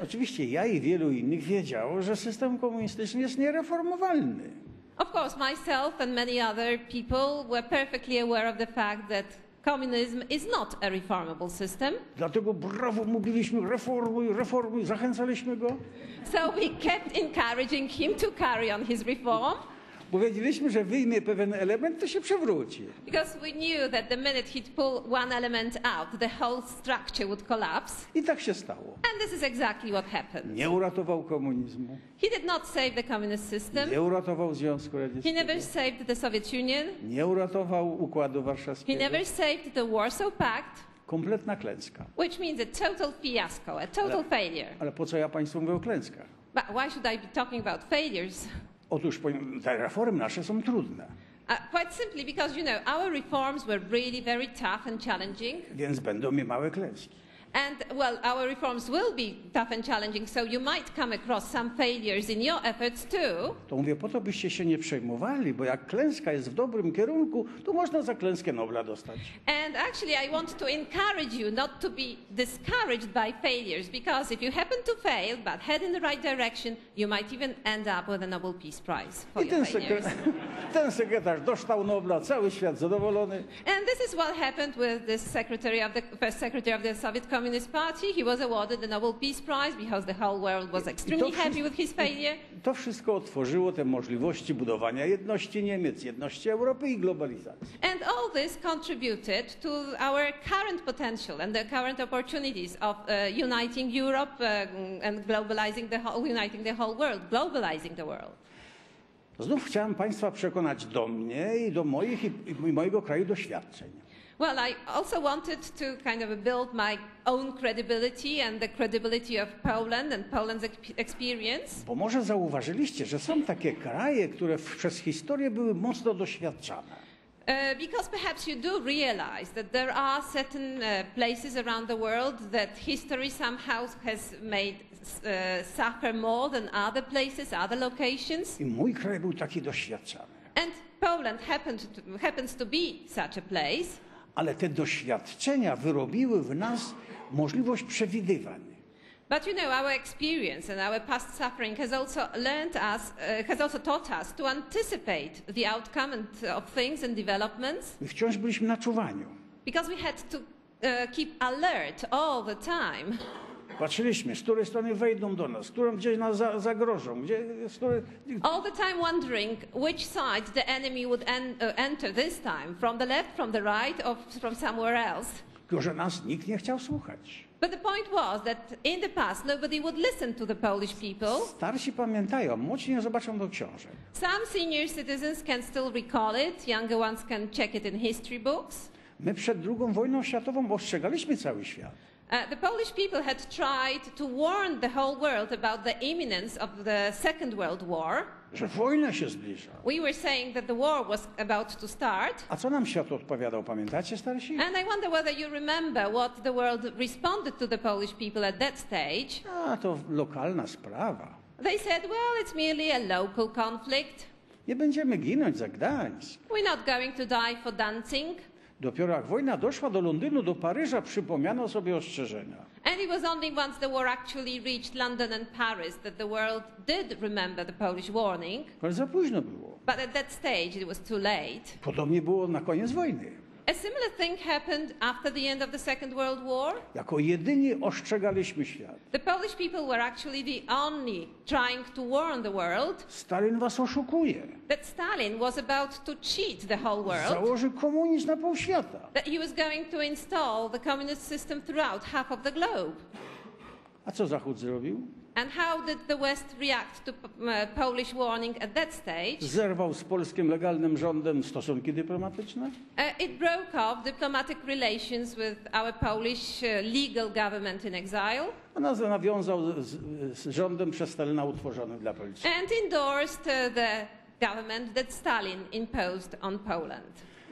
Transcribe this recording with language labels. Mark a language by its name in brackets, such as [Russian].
[Polish] Oczywiście ja i wielu innych wiedziało, że system komunistyczny jest niereformowalny. [English] Of course, myself and many other people were perfectly aware of the fact that Communism is not a reformable system. [Polish] Dlatego brawo mówiliśmy reformuj, reformuj, zachęcaliśmy go. [English] So we kept encouraging him to carry on his reform. [Polish] Bo wiedzieliśmy, że wyjmie pewien element, to się przewróci. [English] Because we knew that the minute he'd pull one element out, the whole structure would collapse. [Polish] I tak się stało. [English] And this is exactly what happened. [Polish] Nie uratował komunizmu. [English] He did not save the communist system. [Polish] Nie uratował Związku Radzieckiego. [English] He never saved the Soviet Union. [Polish] Nie uratował Układu Warszawskiego. [English] He never saved the Warsaw Pact. [Polish] Kompletna klęska. [English] Which means a total fiasco, a total failure. [Polish] Ale po co ja państwu mówię o klęskach? [English] But why should I be talking about failures? [Polish] Otóż te reformy nasze są trudne. [English] Quite simply because you know our reforms were really very tough and challenging. [Polish] Więc będą mi małe klęski. [English] And well, our reforms will be tough and challenging, so you might come across some failures in your efforts too. [Polish] To mówię po to, byście się nie przejmowali, bo jak klęska jest w dobrym kierunku, to można za klęskę Nobla dostać. [English] And actually, I want to encourage you not to be discouraged by failures, because if you happen to fail, but head in the right direction, you might even end up with a Nobel Peace Prize for your failures. [Polish] Ten sekretarz dostał Nobla, cały świat zadowolony. [English] And this is what happened with this secretary of the first secretary of the Soviet Communist Party. He was awarded the Nobel Peace Prize because the whole world was extremely happy with his failure. [Polish] To wszystko otworzyło te możliwości budowania jedności Niemiec, jedności Europy i globalizacji. [English] And all this contributed to our current potential and the current opportunities of uniting Europe and globalizing the whole, uniting the whole world, globalizing the world. [Polish] Znów chciałem państwa przekonać do mnie i do moich i mojego kraju doświadczeń. [English] Well, I also wanted to kind of build my own credibility and the credibility of Poland and Poland's experience. [Polish] Bo może zauważyliście, że są takie kraje, które przez historię były mocno doświadczane. [English] Because perhaps you do realize that there are certain places around the world that history somehow has made suffer more than other places, other locations. [Polish] I mój kraj był taki doświadczany. [English] And Poland happens to be such a place. [Polish] Ale te doświadczenia wyrobiły w nas możliwość przewidywań. [English] But you know, our experience and our past suffering has also learned us, has also taught us to anticipate the outcome and of things and developments. [Polish] My wciąż byliśmy na czuwaniu. [English] Because we had to keep alert all the time. [Polish] Patrzyliśmy, z której strony wejdą do nas, z którą gdzieś nas zagrożą, gdzie, z której... [English] All the time wondering which side the enemy would enter this time, from the left, from the right, or from somewhere else. [Polish] Tylko, że nas nikt nie chciał słuchać. [English] But the point was that in the past nobody would listen to the Polish people. [Polish] Starsi pamiętają, młodsi nie zobaczą do książek. [English] Some senior citizens can still recall it, younger ones can check it in history books. [Polish] My przed II wojną światową ostrzegaliśmy cały świat. [English] The Polish people had tried to warn the whole world about the imminence of the Second World War. [Polish] Że wojna się zbliża. [English] We were saying that the war was about to start. [Polish] A co nam świat odpowiadał, pamiętacie, starsi? [English] And I wonder whether you remember what the world responded to the Polish people at that stage. [Polish] A to lokalna sprawa. [English] They said, well, it's merely a local conflict. [Polish] Nie będziemy ginąć za Gdańsk. [English] We're not going to die for Danzig. [Polish] Dopiero jak wojna doszła do Londynu, do Paryża, przypomniano sobie ostrzeżenia. [English] And it was only once the war actually reached London and Paris that the world did remember the Polish warning. [Polish] Ale za późno było. [English] But at that stage it was too late. [Polish] Podobnie było na koniec wojny. [English] A similar thing happened after the end of the Second World War. [Polish] Jako jedyni ostrzegaliśmy świat. [English] The Polish people were actually the only trying to warn the world. [Polish] Stalin was oszukuje. [English] That Stalin was about to cheat the whole world. [Polish] Założy komunizm na pół świata. [English] That he was going to install the communist system throughout half of the globe. [Polish] A co Zachód zrobił? [English] And how did the West react to Polish warning at that stage? [Polish] Zerwał z polskim legalnym rządem stosunki dyplomatyczne? [English] It broke off diplomatic relations with our Polish legal government in exile. [Polish] A nawiązał z rządem przez Stalina utworzonym dla Polski. [English] And endorsed the government that Stalin imposed on Poland.